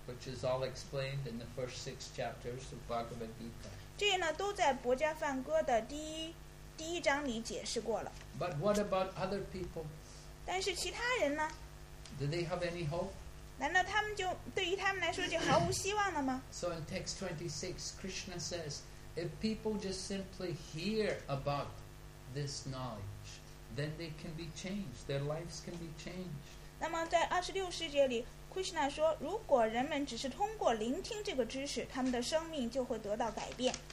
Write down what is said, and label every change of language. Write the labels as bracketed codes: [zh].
[en] which is all explained in the first six chapters of Bhagavad Gita. [zh] 这些呢, 都在《博迦梵歌》的第一 第一章里解释过了。 [en] But what about other people? [zh] 但是其他人呢? [en] Do they have any hope? [zh] 难道他们就对于他们来说就毫无希望了吗? [en] So in text 26, Krishna says, if people just simply hear about this knowledge, then they can be changed. Their lives can be changed. [zh] 那么在26世界里, Krishna说, 如果人们只是通过聆听这个知识, 他们的生命就会得到改变。